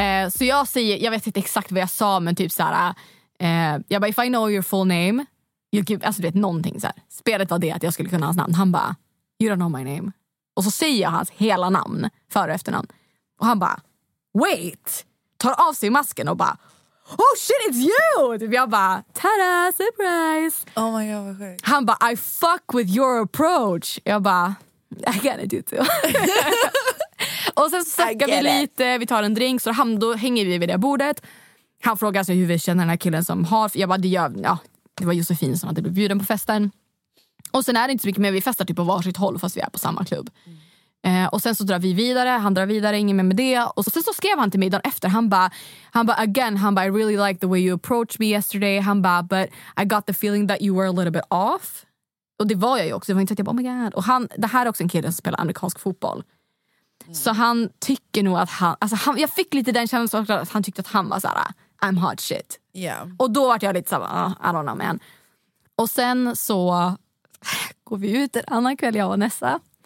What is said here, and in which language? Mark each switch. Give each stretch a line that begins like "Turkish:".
Swedish: Så jag säger, jag vet inte exakt vad jag sa. Men typ så här, jag bara,
English: if I know your full name.
Swedish: Alltså du vet, någonting så här. Spelet var det att jag skulle kunna hans namn. Han bara,
English: you don't know my name.
Swedish: Och så säger jag hans hela namn, före och efternamn. Och han bara, wait! Tar av sig masken och bara,
English: oh shit, it's you!
Swedish: Typ jag bara, ta-da, surprise!
English: Oh my god,
Swedish: vad sjukt. Han bara,
English: I fuck with your approach!
Swedish: Jag bara,
English: I gotta do too.
Swedish: Och sen så snackar vi lite, vi tar en drink, då hänger vi vid det bordet. Han frågar sig hur vi känner den här killen som har... Jag bara, det var Josefin som hade blivit bjuden på festen. Och sen är det inte så mycket mer, vi festar typ på varsitt håll fast vi är på samma klubb. Och sen så drar vi vidare, han drar vidare, ingen mer med det. Och sen så skrev han till mig dagen efter, han bara,
English: I really like the way you approached me yesterday.
Swedish: Han bara,
English: but I got the feeling that you were a little bit off.
Swedish: Och det var jag ju också, det var inte att jag bara,
English: oh my god.
Swedish: Och han, det här är också en kille som spelar amerikansk fotboll. Så han tycker nog att han, alltså han, jag fick lite den känslan att han tyckte att han var såhär,
English: I'm hot shit. Yeah.
Swedish: Och då var jag lite såhär,
English: I don't know man.
Swedish: Och sen så går vi ut en annan kväll, jag och Nessa.